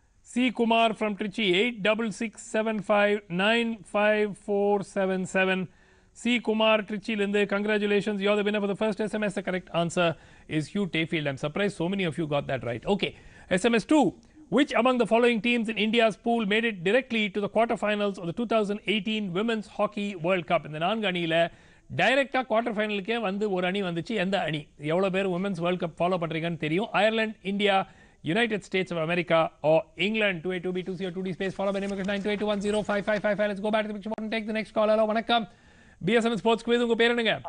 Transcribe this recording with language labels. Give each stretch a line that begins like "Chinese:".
English: C Kumar from Trichy 8667595477. C Kumar ட்ரிச்சியிலிருந்து congratulations, you are the winner for the first SMS. The correct answer is Hugh Tayfield. I'm surprise so many of you got that right. Okay, SMS two. Which among the following teams in India's pool made it directly to the quarterfinals of the 2018 Women's Hockey World Cup?
Tamil: இந்த நான்கு அணியில் டைரெக்டாக quarter ஃபைனலுக்கே வந்து ஒரு அணி வந்துச்சு. எந்த அணி? எவ்வளோ பேர் உமன்ஸ் வேர்ல்ட் கப் ஃபாலோ பண்ணுறீங்கன்னு தெரியும். Ireland, India, United states of America, O England? 2A2B2C2D space follow பண்ணி 9281055555.
English: Let's go back to the next call. Hello,
Tamil: வணக்கம், BSN ஸ்போர்ட்ஸ் குவிஸ். உங்க பேர் என்னங்க?